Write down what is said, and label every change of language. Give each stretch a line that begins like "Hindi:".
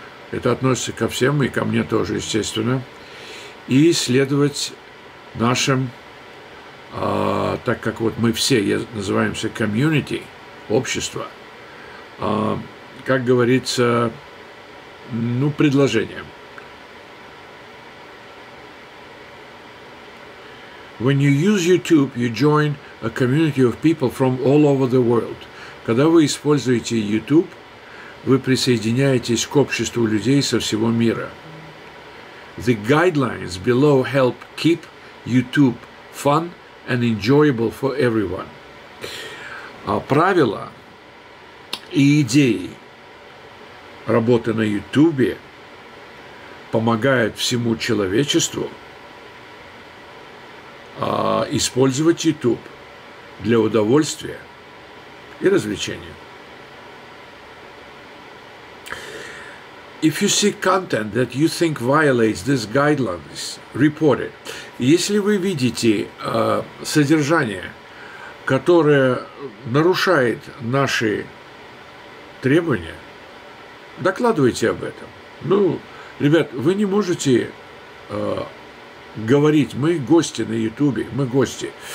Russian: Это относится ко всем и ко мне тоже, естественно. И следовать нашим, так как вот мы все называемся community, общество, как говорится, ну, предложением.
English: When you use YouTube, you join a community of people from all over the world.
Russian: Когда вы используете YouTube, вы присоединяетесь к обществу людей со всего мира.
English: The guidelines below help keep YouTube fun and enjoyable for everyone.
Russian: Правила и идеи работы на YouTube помогают всему человечеству использовать YouTube для удовольствия и развлечения.
English: If you see content that you think violates these guidelines, report it.
Russian: Если вы видите содержание, которое нарушает наши требования, докладывайте об этом. Ну, ребят, вы не можете говорить, мы гости на YouTube, мы гости.